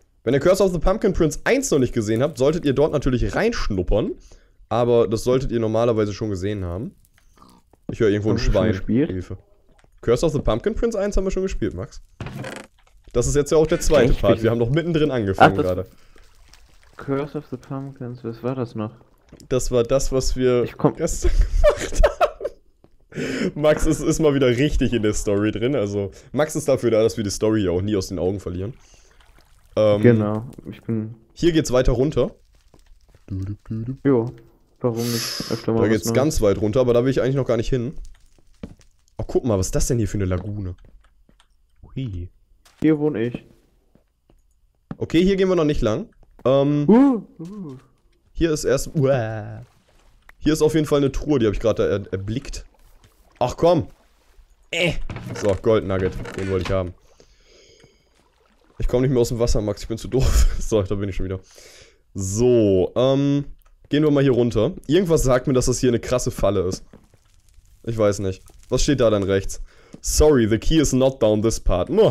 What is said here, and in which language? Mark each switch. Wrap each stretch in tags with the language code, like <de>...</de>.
<de>Wenn ihr Curse of the Pumpkin Prince 1 noch nicht gesehen habt, solltet ihr dort natürlich reinschnuppern. Aber das solltet ihr normalerweise schon gesehen haben. Ich höre irgendwo ein Schwein. Hilfe. Curse of the Pumpkin Prince 1 haben wir schon gespielt, Max. Das ist jetzt ja auch der zweite Part. Wir haben noch mittendrin angefangen gerade. Curse of the Pumpkins, was war das noch? Das war das, was wir gestern gemacht haben. Max ist mal wieder richtig in der Story drin. Also Max ist dafür da, dass wir die Story ja auch nie aus den Augen verlieren. Genau. Hier geht's weiter runter. Jo. Warum nicht öfter mal? Da geht's ganz weit runter, aber da will ich eigentlich noch gar nicht hin. Oh, guck mal, was ist das denn hier für eine Lagune? Hui. Hier wohne ich. Okay, hier gehen wir noch nicht lang. Hier ist erst. Hier ist auf jeden Fall eine Truhe, die habe ich gerade erblickt. Ach komm! So, Gold Nugget, den wollte ich haben. Ich komme nicht mehr aus dem Wasser, Max, ich bin zu doof. So, da bin ich schon wieder. So, gehen wir mal hier runter. Irgendwas sagt mir, dass das hier eine krasse Falle ist. Ich weiß nicht. Was steht da denn rechts?</de> <en>Sorry, the key is not down this part.</en>